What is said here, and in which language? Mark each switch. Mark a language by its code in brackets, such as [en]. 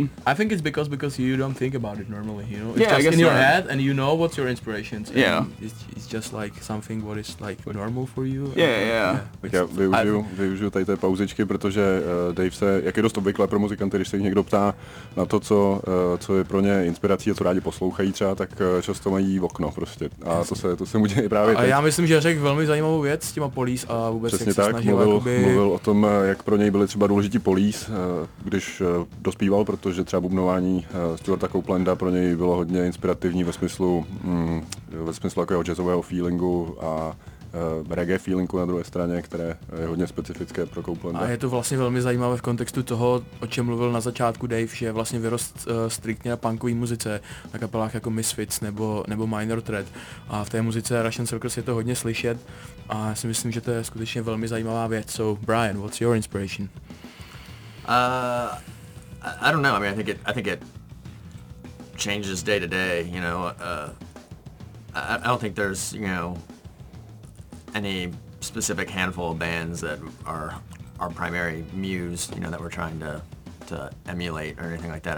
[en] I think it's because you don't think about it normally, you know? It's just in your head, and you know what's your inspirations. Yeah. It's just like something what is like normal for you. Yeah. [cs] Tak já využiju tady té pauzičky, protože Dave se, jak je dost obvykle pro muzikanty, když se jich někdo ptá na to, co je pro ně inspirací a co rádi poslouchají třeba, tak často mají v okno prostě. A to se mu děje právě teď. A já myslím, že řekl velmi zajímavou věc s těma Police a vůbec přesně jak tak, se snažil. Mluvil o tom, jak pro něj byly třeba důležití Police, když dospíval, protože třeba bubnování Stuarta Copelanda pro něj bylo hodně inspirativní ve smyslu jako jeho jazzového feelingu a reggae feelingu na druhé straně, které je hodně specifické pro Copelanda. A je to vlastně velmi zajímavé v kontextu toho, o čem mluvil na začátku Dave, že vlastně vyrost striktně na punkové muzice, na kapelách jako Misfits nebo Minor Threat. A v té muzice Russian Circus je to hodně slyšet a já si myslím, že to je skutečně velmi zajímavá věc. [en] So, Brian, what's your inspiration? I don't know. I mean, I think it changes day to day, you know. I don't think there's, you know, any specific handful of bands that are our primary muse, you know, that we're trying to emulate or anything like that.